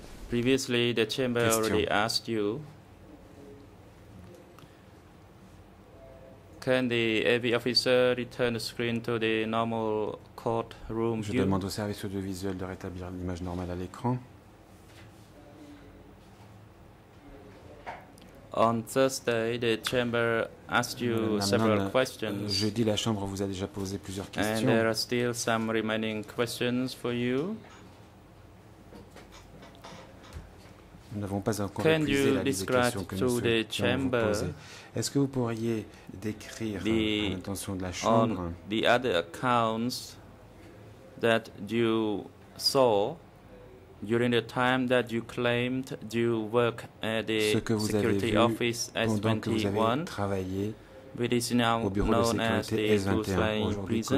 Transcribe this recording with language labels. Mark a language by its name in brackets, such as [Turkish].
[English] Previously, the chamber already asked you, can the AV officer return the screen to the normal courtroom view? [French] Je demande au service audiovisuel de rétablir l'image normale à l'écran. [English] On Thursday, the chamber asked you several questions. [French] Jeudi, la chambre vous a déjà posé plusieurs questions. [English] And there are still some remaining questions for you. [French] Nous n'avons pas encore épuisé la liste des questions que nous allons vous poser. Est-ce que vous pourriez décrire l'intention de la chambre? [English] The other accounts that you saw during the time that you claimed you work at the security office S21, which is now known as the Tulslang prison,